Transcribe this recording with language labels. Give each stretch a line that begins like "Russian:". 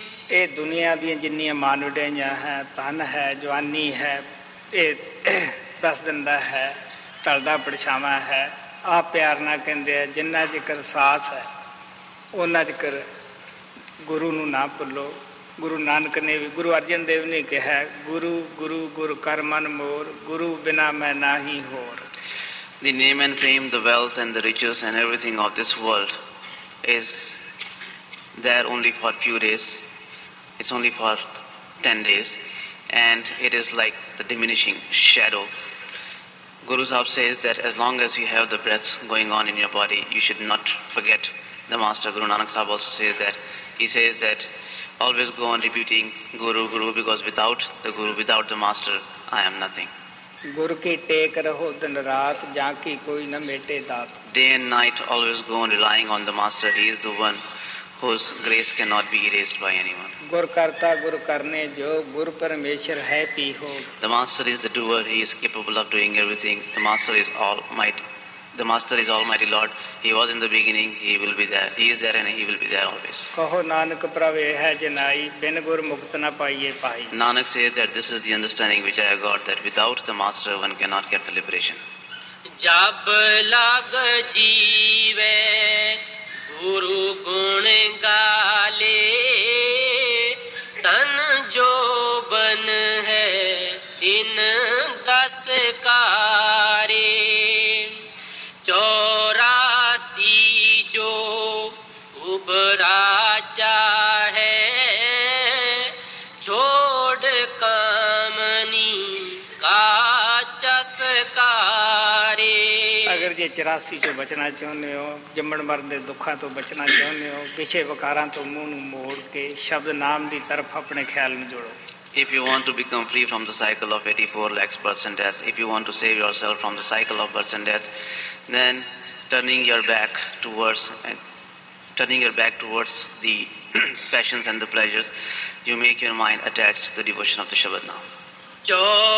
Punjabi: ਇਹ ਦੁਨੀਆਂ ਦੀਆਂ ਜਿੰਨੀਆਂ ਮਾਨੁੜੀਆਂ ਹੈ, ਤਨ ਹੈ, ਜਵਾਨੀ ਹੈ, ਇਹ ਦੱਸ ਦਿੰਦਾ ਹੈ, ਟਲਦਾ ਪਰਛਾਵਾਂ ਹੈ, ਆਹ ਪਿਆਰ ਨਾਲ ਕਹਿੰਦੇ ਆ, ਜਿੰਨਾ ਚਿਕਰ ਸਾਸ ਹੈ ਉਹਨਾਂ ਚਿਕਰ ਗੁਰੂ ਨੂੰ ਨਾ ਭੁੱਲੋ। ਗੁਰੂ ਨਾਨਕ ਨੇ ਵੀ, ਗੁਰੂ ਅਰਜਨ ਦੇਵ ਨੇ ਕਿਹਾ, ਗੁਰੂ ਗੁਰੂ ਗੁਰ ਕਰ ਮਨ ਮੋਰ, ਗੁਰੂ ਬਿਨਾਂ ਮੈਂ ਨਾ ਹੀ ਹੋਰ।
English: The name and fame, the wealth and the riches and everything of this world is there only for few days, it's only for 10 days, and it is like the diminishing shadow. Guru Sahib says that as long as you have the breaths going on in your body, you should not forget the Master. Guru Nanak Sahib also says that, he says that always go on repeating Guru, Guru, because without the Guru, without the Master, I am nothing.
Punjabi: ਗੁਰ ਕੀ ਟੇਕ ਰਹੋ ਦਿਨ ਰਾਤ, ਜਾਂ ਕੀ ਕੋਈ ਨਾ ਮੇਟੇ ਦਾਤ।
English: Day and night always go on relying on the Master. He is the one whose grace cannot be erased by anyone.
Punjabi: ਗੁਰ ਕਰਤਾ ਗੁਰ ਕਰਨੇ ਜੋ, ਗੁਰ ਪਰਮੇਸ਼ਰ ਹੈ ਪੀਹੋ।
English: The Master is the doer. He is capable of doing everything. The Master is almighty. The Master is almighty Lord. He was in the beginning. He will be there. He is there and he will be there always.
Punjabi: ਕਹੋ ਨਾਨਕ ਪ੍ਰਵੇ ਹੈ ਜਨਾਈ, ਬਿਨ ਗੁਰ ਮੁਕਤ ਨਾ ਪਾਈਏ ਪਾਈ।
English: Nanak says that this is the understanding which I have got, that without the Master one cannot get the liberation.
Punjabi: ਜਬ ਲਗ ਜੀਵੇ ਗੁਰੂ ਗੁਣ ਗਾਲੇ, ਤਨ ਜੋ ਬਨ ਹੈ ਤਿਨ ਦਸ ਕਾਰੇ, ਚੌਰਾਸੀ ਜੋ ਉਬਰਾ ਚਾਹੇ, ਛੋੜ ਕਾਮਨੀ ਕਾ ਚਸਕਾਰੇ। ਅਗਰ ਜੇ 84 ਚੋਂ ਬਚਣਾ ਚਾਹੁੰਦੇ ਹੋ, ਜੰਮਣ ਮਰਨ ਦੇ ਦੁੱਖਾਂ ਤੋਂ ਬਚਣਾ ਚਾਹੁੰਦੇ ਹੋ, ਪਿਛੇ ਵਿਕਾਰਾਂ ਤੋਂ ਮੂੰਹ ਨੂੰ ਮੋੜ ਕੇ ਸ਼ਬਦ ਨਾਮ ਦੀ ਤਰਫ ਆਪਣੇ ਖਿਆਲ ਨੂੰ ਜੋੜੋ।
English: If you want to become free from the cycle of 84 lakhs births and deaths, if you want to save yourself from the cycle of births and deaths, then turning your back towards the passions and the pleasures, you make your mind attached to the devotion of the Shabad Naam.